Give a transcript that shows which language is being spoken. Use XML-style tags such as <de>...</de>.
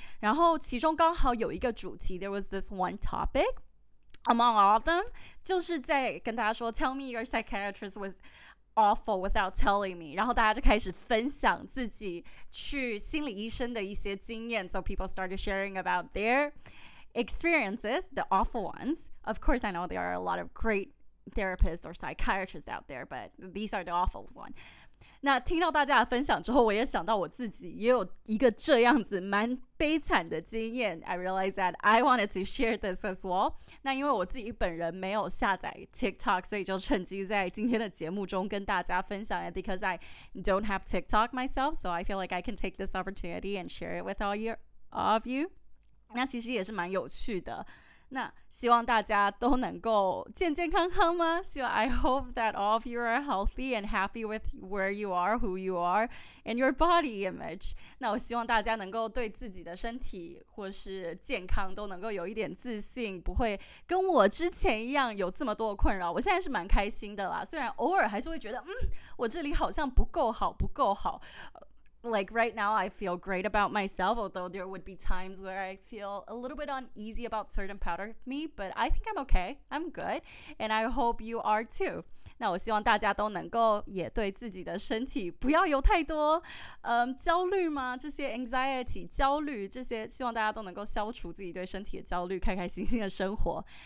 <zh>然后其中刚好有一个主题</zh> <en>there was this one topic,Among all of them,</en> <zh>就是在跟大家说</zh> <en>Tell me your psychiatrist was awful without telling me.</en> <zh>然后大家就开始分享自己去心理医生的一些经验</zh> <en>So people started sharing about their experiences, the awful ones. Of course, I know there are a lot of great therapists or psychiatrists out there, but these are the awful ones.</en> <zh>那听到大家的分享之后，我也想到我自己也有一个这样子蛮悲惨的经验。</zh> <en>I realized that I wanted to share this as well.</en> <zh>那因为我自己本人没有下载 TikTok, 所以就趁机在今天的节目中跟大家分享</zh> <en>it because I don't have TikTok myself, so I feel like I can take this opportunity and share it with all of you.</en> <zh>那其实也是蛮有趣的。那希望大家都能够健健康康吗？</zh> <en>So I hope that all of you are healthy and happy with where you are, who you are, and your body image.</en> <zh>那我希望大家能够对自己的身体或是健康都能够有一点自信，不会跟我之前一样有这么多困扰。我现在是蛮开心的啦，虽然偶尔还是会觉得，我这里好像不够好。</zh> <en>Like right now, I feel great about myself, although there would be times where I feel a little bit uneasy about certain part of me, but I think I'm okay. I'm good. And I hope you are too.</en> <zh>那我希望大家都能够也对自己的身体不要有太多焦虑吗？这些 anxiety, 焦虑这些希望大家都能够消除自己对身体的焦虑，开开心心的生活。</zh>